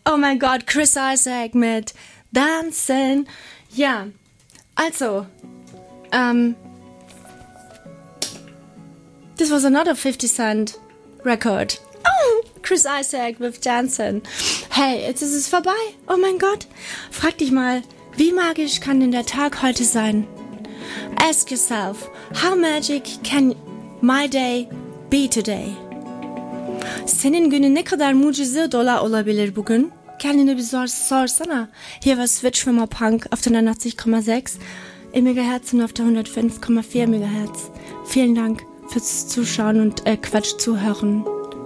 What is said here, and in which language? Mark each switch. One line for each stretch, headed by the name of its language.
German: Oh mein Gott, Chris Isaak mit Dancing. Ja, also,
English: this was another 50 Cent record. Oh, Chris Isaak with Dancing.
German: Hey, jetzt ist es vorbei. Oh mein Gott. Frag dich mal, wie magisch kann denn der Tag heute sein?
English: Ask yourself, how magic can my day be today?
Turkish: Senin günün ne kadar mucize dolu olabilir bugün? Kendine bir sorsana.
German: Hier war Switch from a Punk auf der 90,6 im MHz und auf der 105,4 MHz. Vielen Dank fürs Zuschauen und Quatsch zuhören.